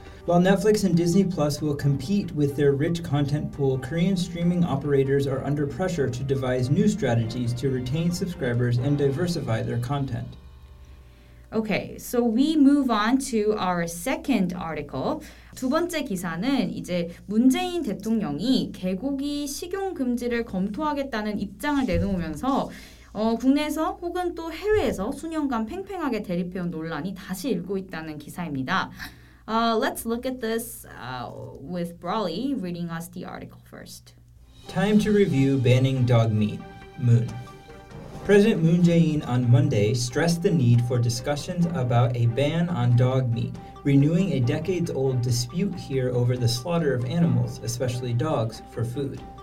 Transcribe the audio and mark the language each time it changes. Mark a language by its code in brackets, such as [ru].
[en] While Netflix and Disney Plus will compete with their rich content pool, Korean streaming operators are under pressure to devise new strategies to retain subscribers and diversify their content. Okay, so we move on to our second article. [ko] 두 번째 기사는 이제 문재인 대통령이 개고기 식용 금지를 검토하겠다는 입장을 내놓으면서 국내에서 혹은 또 해외에서 수년간 팽팽하게 대립해온 논란이 다시 일고 있다는 기사입니다. [en] Let's look at this with Brawley reading us the article first. Time to review banning dog meat. Moon. President Moon Jae-in on Monday stressed the need for discussions about a ban on dog meat, renewing a decades-old dispute here over the slaughter of animals, especially dogs, for food.